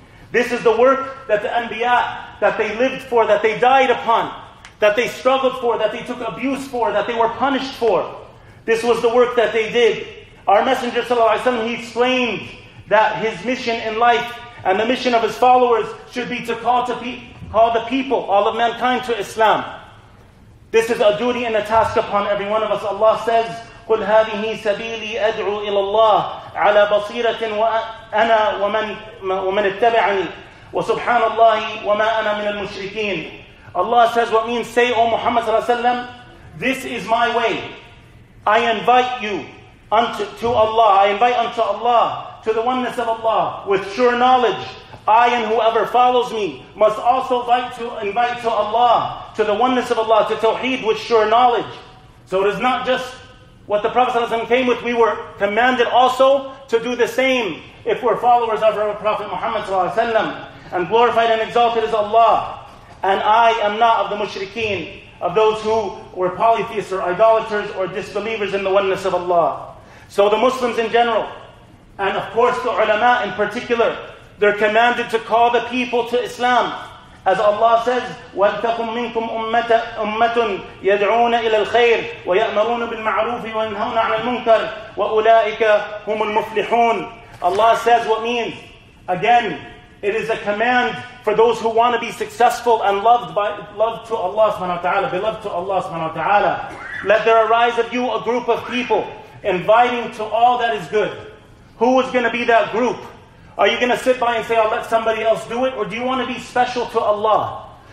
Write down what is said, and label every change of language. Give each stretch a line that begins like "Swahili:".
English: This is the work that the Anbiya, that they lived for, that they died upon, that they struggled for, that they took abuse for, that they were punished for. This was the work that they did. Our Messenger Sallallahu Alaihi Wasallam, he explained that his mission in life and the mission of his followers should be to call the people, all of mankind to Islam. This is a duty and a task upon every one of us. Allah says,
Arabic: قُلْ هَذِهِ سَبِيلِي أَدْعُوا إِلَى اللَّهِ عَلَى بَصِيرَةٍ وَأَنَا وَمَنْ اتَّبَعَنِي وَسُبْحَانَ اللَّهِ وَمَا أَنَا مِنَ الْمُشْرِكِينَ.
English: Allah says, what means, say, O Muhammad sallallahu alayhi wa sallam, this is my way. I invite you unto Allah. I invite unto Allah, to the oneness of Allah, with sure knowledge. I and whoever follows me must also invite to Allah, to the oneness of Allah, to Tawheed with sure knowledge. So it is not just what the Prophet ﷺ came with, we were commanded also to do the same if we're followers of our Prophet Muhammad ﷺ. And glorified and exalted is Allah. And I am not of the mushrikeen, of those who were polytheists or idolaters or disbelievers in the oneness of Allah. So the Muslims in general, and of course the ulama in particular, they're commanded to call the people to Islam. As Allah says,
Arabic: وَلْتَكُمْ مِنْكُمْ أُمَّةٌ يَدْعُونَ إِلَى الْخَيْرِ وَيَأْمَرُونَ بِالْمَعْرُوفِ وَيَنْهَوْنَ عَنِ الْمُنْكَرِ وَأُولَٰئِكَ هُمُ الْمُفْلِحُونَ.
English: Allah says what means. Again, it is a command for those who want to be successful and loved to Allah subhanahu wa ta'ala, beloved to Allah subhanahu wa ta'ala. Let there arise of you a group of people inviting to all that is good. Who is going to be that group? Are you going to sit by and say, I'll let somebody else do it? Or do you want to be special to Allah?